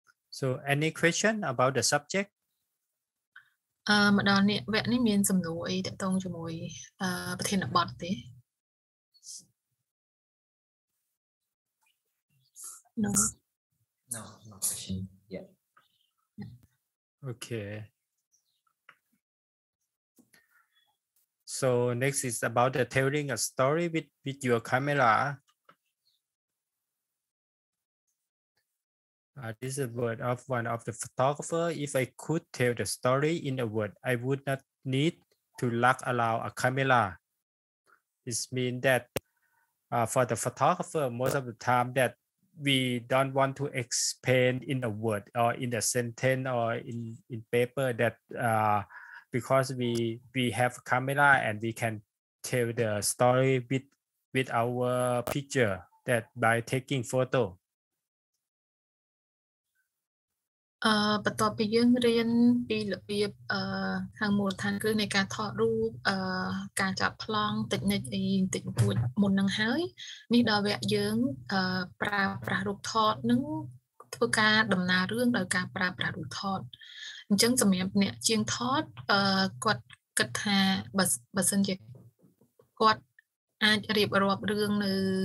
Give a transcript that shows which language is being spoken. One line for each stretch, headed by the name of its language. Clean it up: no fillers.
English: So any question about the subject?
Khmer: ម្ដងនេះវគ្គនេះមានសំណួរអីតាក់ទងជាមួយប្រធានបទទេ
English: No. No, no question yet. Okay. So next is about the telling a story with your camera. This is a word of one of the photographer. If I could tell the story in a word, I would not need to lug around a camera. This means that for the photographer, most of the time that we don't want to explain in a word or in a sentence or in paper that because we have a camera and we can tell the story with our picture that by taking photo.
Khmer: បន្ទាប់ពីយើងរៀនពីរបៀបខាងមូលដ្ឋានគឺនៃការថតរូបការចាប់ប្លង់តិចនិចអីតិចបួចមុននឹងហើយនេះដល់វគ្គយើងប្រើប្រាស់រូបថតនឹងធ្វើការដំណើររឿងដោយការប្រើប្រាស់រូបថតអញ្ចឹងសម្រាប់អ្នកជាងថតគាត់គិតថាបើសិនជាគាត់អាចរៀបរាប់រឿងនៅ